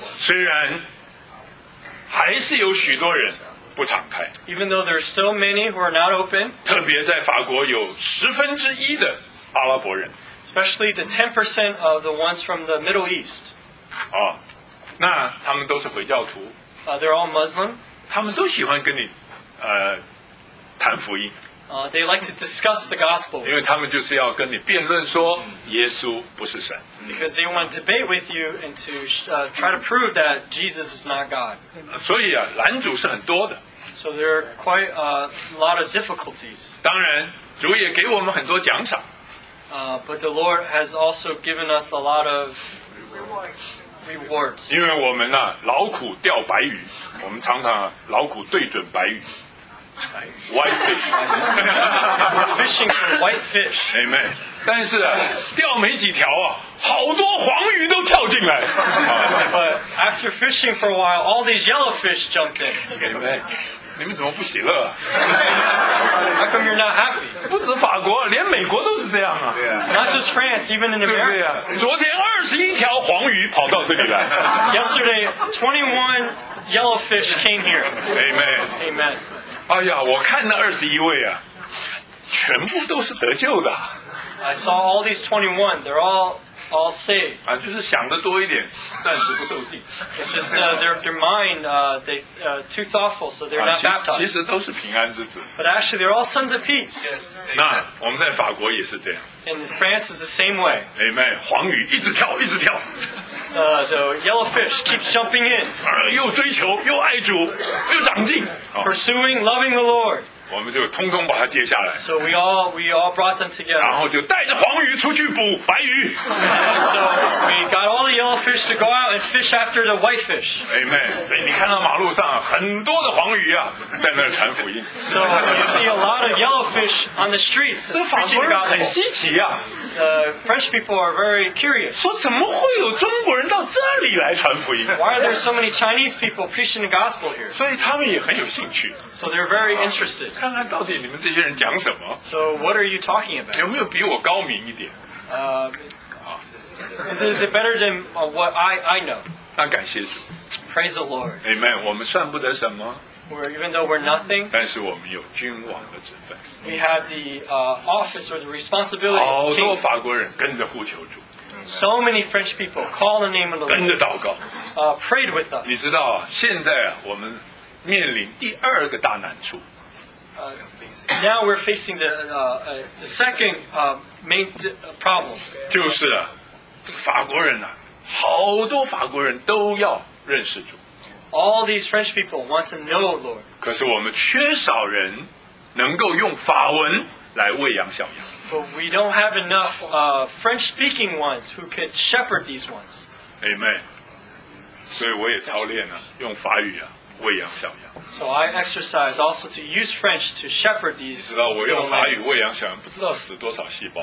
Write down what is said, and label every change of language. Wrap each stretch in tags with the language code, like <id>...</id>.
<zh>虽然还是有许多人不敞开。</zh> <en>Even though there are still many who are not open.</en> <zh>特别在法国有十分之一的阿拉伯人。</zh> <en>Especially the 10% of the ones from the Middle East.</en> <zh>哦，那他们都是回教徒。</zh> <en>They're all Muslim.</en> <zh>他们都喜欢跟你。谈福音。</zh> <en>They like to discuss the gospel.</en> <zh>因为他们就是要跟你辩论说耶稣不是神。</zh> <en>Because they want to debate with you and to try to prove that Jesus is not God.</en> <zh>所以啊，拦阻是很多的。</zh> <en>So there are quite a lot of difficulties.</en> <zh>当然，主也给我们很多奖赏。</zh> <en>But the Lord has also given us a lot of rewards. Rewards.</en> <zh>因为我们、啊、劳苦钓白鱼，我们常常、啊、劳苦对准白鱼 ，</zh> <en>white fish. Fishing for white fish. Amen.</en> <zh>但是、啊、钓没几条啊，好多黄鱼都跳进来。</zh> <en>But after fishing for a while, all these yellow fish jumped in.</en> <zh>Amen. 你们怎么不喜乐、</zh> <en>啊、？How come you're not happy?</en> <zh>不止法国，连美国都是这样啊。</zh> <en>Not just France, even in America.</en> <zh>对不对、啊、昨天21条黄鱼跑到这里来。</zh> <en>Yesterday, 21 yellow fish came here. Amen. Amen.</en> <zh>哎呀，我看那21位啊，全部都是得救的。</zh> <en>I saw all these 21. They're all all say.</en> <zh>啊，就是想的多一点，暂时不受定。</zh> <en>Just their mind, they too thoughtful, so they're not baptized.</en> <zh>其实都是平安之子。</zh> <en>But actually, they're all sons of peace. Yes.</en> <zh>那我们在法国也是这样。</zh> <en>In France, it's the same way.</en> <zh>Amen. 黄鱼一直跳，一直跳。</zh> <en>The yellow fish keeps jumping in.</en> <zh>又追求，又爱主，又长进。</zh> <en>Pursuing, loving the Lord.</en> <zh>我们就通通把它接下来。</zh> <en>So we all brought them together.</en> <zh>然后就带着黄鱼出去捕白鱼。</zh> <en>So we got all the yellow fish to go out and fish after the white fish. Amen.</en> <zh>所以你看到马路上很多的黄鱼啊，在那传福音。</zh> <en>So you see a lot of yellow fish on the streets.</en> <zh>这法国人很稀奇啊。</zh> <en>The French people are very curious.</en> <zh>说怎么会有中国人到这里来传福音</zh> <en>？Why are there so many Chinese people preaching the gospel here？</en> <zh>所以他们也很有兴趣。</zh> <en>So they're very interested.</en> <zh>看看到底你们这些人讲什么</zh> <en>？So what are you talking about？</en> <zh>有没有比我高明一点？</zh> <en>Is it better than what I know？</en> <zh>那感谢主。</zh> <en>Praise the Lord.</en> <zh>Amen. 我们算不得什么。</zh> <en>Even though we're nothing,</en> <zh>但是我们有君王的职分。</zh> <en>We have the office or the responsibility.</en> <zh>好多法国人跟着呼求主。</zh> <en>So many French people call the name of the Lord.</en> <zh>跟着祷告。</zh> <en>Prayed with us.</en> <zh>你知道，现在我们面临第二个大难处。</zh> <en>Now we're facing the second main problem.</en> <zh>就是啊，法国人啊，好多法国人都要认识主。</zh> <en>All these French people want to know Lord.</en> <zh>可是我们缺少人能够用法文来喂养小羊。</zh> <en>But we don't have enough French-speaking ones who could shepherd these ones.</en> <zh>Amen. 所以我也操练了、啊、用法语啊喂养小羊。</zh> <en>So I exercise also to use French to shepherd these.</en> <zh>你知道我用法语喂养小羊，不知道死多少细胞。</zh>